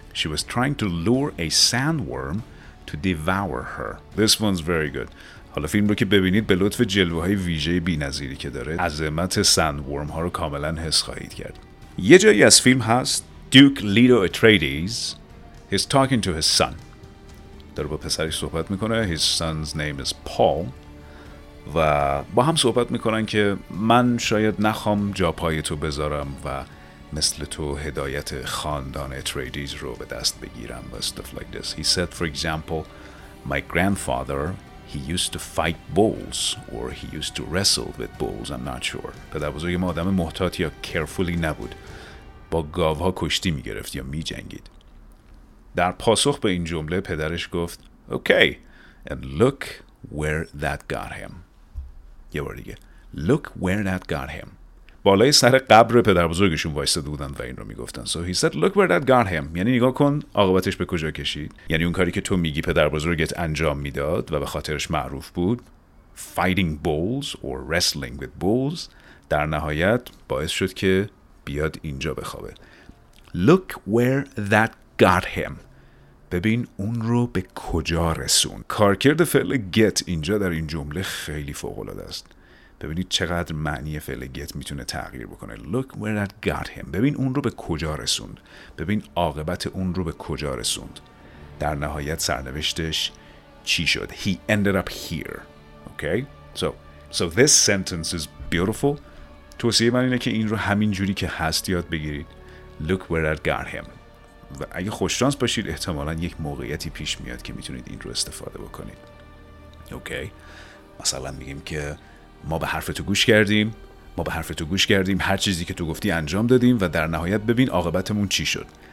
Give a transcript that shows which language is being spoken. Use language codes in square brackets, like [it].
[en] She was trying to lure a sandworm to devour her. This one's very good. [fa] حالا فیلم رو که ببینید به لطف جلوه‌های ویژه بی‌نظیری که داره، عظمت sandworm ها رو کاملا حس خواهید کرد. یه جایی از فیلم هست [en] Duke Leto Atreides is talking to his son. [fa] داره با پسرش صحبت میکنه. [en] His son's name is Paul. [fa] و با هم صحبت میکنن که من شاید نخوام جا پای تو بذارم و مثل تو هدایت خاندان تریدیز رو به دست بگیرم و [en] stuff like this. He said, for example, my grandfather, he used to fight bulls or he used to wrestle with bulls, I'm not sure. [fa] پدر بزرگ ما آدم محتاط یا carefully نبود. با گاوها کشتی میگرفت یا میجنگید. در پاسخ به این جمله پدرش گفت [en] Okay, and look where that got him. [fa] یه بار دیگه. [en] Look where that got him. [fa] بالای سر قبر پدر بزرگشون وایستاده بودن و این رو میگفتن. [en] So he said, look where that got him. [fa] یعنی نگاه کن عاقبتش به کجا کشید. یعنی اون کاری که تو میگی پدر بزرگت انجام میداد و به خاطرش معروف بود. [en] Fighting bulls or wrestling with bulls. [fa] در نهایت باعث شد که بیاد اینجا بخوابه. [en] Look where that got him. [fa] ببین اون رو به کجا رسون. کارکرد فعل get اینجا در این جمله خیلی فوق‌العاده است. ببینید چقدر معنی فعل get میتونه تغییر بکنه. [en] Look where that got him. [fa] ببین اون رو به کجا رسوند. ببین عاقبت اون رو به کجا رسوند. در نهایت سرنوشتش چی شد. [en] He ended up here. Okay? So this sentence is beautiful. [fa] توصیه من اینه که این رو همین جوری که هست یاد بگیرید. [en] Look where that got him. [fa] و اگه خوششانس باشید احتمالاً یک موقعیتی پیش میاد که میتونید این رو استفاده بکنید. [en] Okay. [fa] مثلا میگیم که ما به حرف تو گوش کردیم، ما به حرف تو گوش کردیم، هر چیزی که تو گفتی انجام دادیم و در نهایت ببین عاقبتمون چی شد.